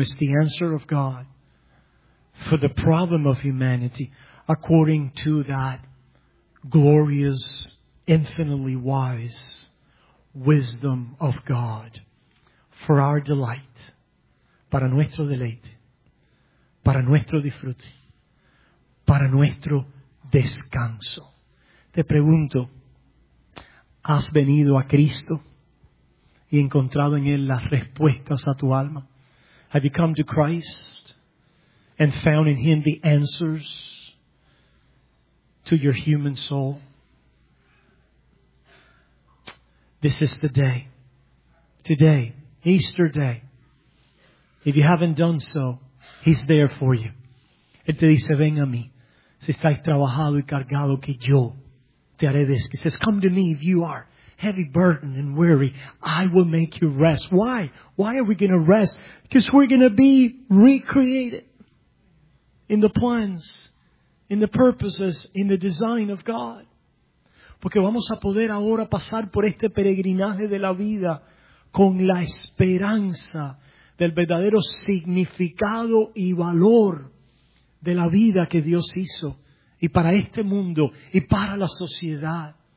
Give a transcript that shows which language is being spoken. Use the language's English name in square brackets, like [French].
[English] It's the answer of God for the problem of humanity, according to that glorious, infinitely wise wisdom of God, for our delight, [Spanish] para nuestro deleite, para nuestro disfrute, para nuestro descanso. Te pregunto, ¿has venido a Cristo y encontrado en Él las respuestas a tu alma? [English] Have you come to Christ and found in Him the answers to your human soul? This is the day. Today, Easter day. If you haven't done so, He's there for you. [Spanish] Él te dice, ven a mí. Si estáis trabajado y cargado, que yo te haré descanso. [English] He says, come to me if you are heavy burden and weary. I will make you rest. Why? Why are we going to rest? Because we're going to be recreated in the plans, in the purposes, in the design of God. [Spanish] Porque vamos a poder ahora pasar por este peregrinaje de la vida con la esperanza del verdadero significado y valor de la vida que Dios hizo, y para este mundo, y para la sociedad.